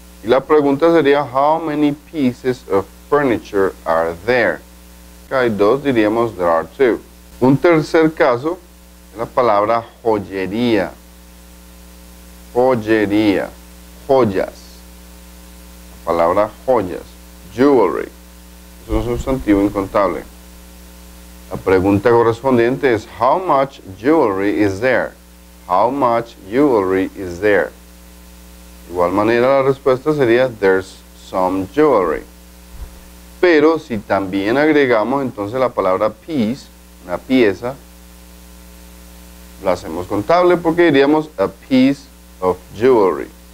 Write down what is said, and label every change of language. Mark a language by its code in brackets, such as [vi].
[es] Y la pregunta sería, [en] how many pieces of furniture are there? [es] Acá hay dos, diríamos, [en] there are two. [es] Un tercer caso es la palabra joyería. Joyería. Joyas. La palabra joyas. Jewelry. Es un sustantivo incontable. La pregunta correspondiente es, [en] how much jewelry is there? How much jewelry is there? [es] De igual manera, la respuesta sería, [en] there's some jewelry. [es] Pero si también agregamos entonces la palabra piece, una pieza, la hacemos contable porque diríamos, [en] a piece of jewelry.